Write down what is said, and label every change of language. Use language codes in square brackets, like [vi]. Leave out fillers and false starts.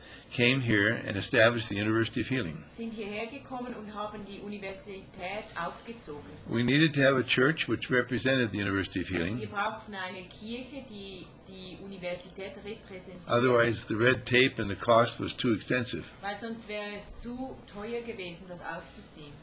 [en] Came here and established the University of Healing. [de] Sind hierher gekommen und haben die Universität aufgezogen. [en] We needed to have a church which represented the University of Healing. [de] Wir brauchten eine Kirche, die Universität repräsentiert. [en] Otherwise, the red tape and the cost was too extensive. [de] Weil sonst wäre es zu teuer gewesen, das aufzuziehen.